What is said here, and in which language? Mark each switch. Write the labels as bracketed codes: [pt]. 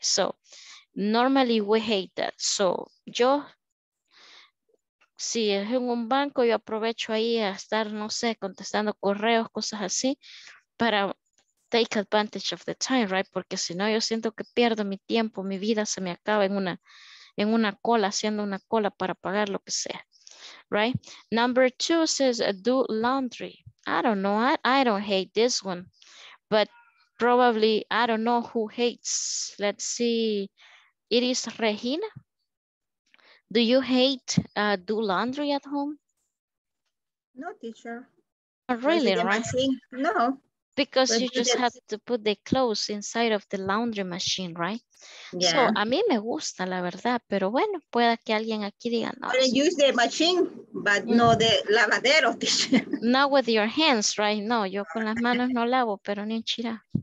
[en] So, normally we hate that. [es] So, yo, si es en un banco, yo aprovecho ahí a estar, no sé, contestando correos, cosas así, para [en] take advantage of the time, right? [es] Porque si no, yo siento que pierdo mi tiempo, mi vida se me acaba en una cola, haciendo una cola para pagar lo que sea, right? [en] Number two says do laundry. I don't know, I don't hate this one, but probably, I don't know who hates. Let's see, it is Regina. Do you hate do laundry at home? No, teacher. Not really, right? No. Because you just have to put the clothes inside of the laundry machine, right? Yeah. [es] So, a mí me gusta, la verdad, pero bueno, puede que alguien aquí diga no. [en] Pero use the machine, but no the lavadero, teacher. Not with your hands, right? [es] No, yo con las manos no lavo, pero ni en chira.